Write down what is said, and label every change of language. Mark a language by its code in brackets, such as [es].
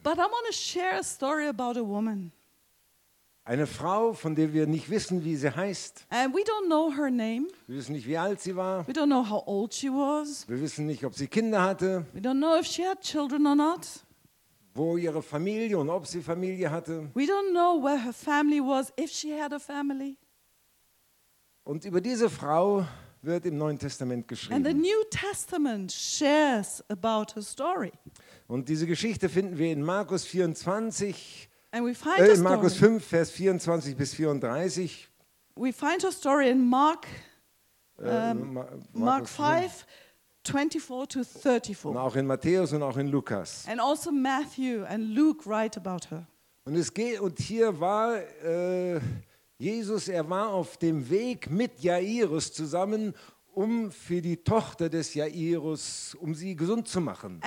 [en] But I want to share a story about a woman. [de] Eine Frau, von der wir nicht wissen, wie sie heißt. [en] And we don't know her name. [de] Wir wissen nicht, wie alt sie war. [en] We don't know how old she was. [de] Wir wissen nicht, ob sie Kinder hatte. [en] We don't know if she had children or not. [de] Wo ihre Familie und ob sie Familie hatte. [en] We don't know where her family was, if she had a family. [de] Und über diese Frau wird im Neuen Testament geschrieben. [en] And the New Testament shares about her story. [de] Und diese Geschichte finden wir in Markus 24. [en] And we find [de] in Markus 5, Vers 24 bis 34. [en] We find her story in Mark 5, 24 to 34. [de] Und auch in Matthäus und auch in Lukas. [en] And also Matthew and Luke write about her. [de] Und es geht, und hier war Jesus, er war auf dem Weg mit Jairus zusammen, um für die Tochter des Jairus, um sie gesund zu machen.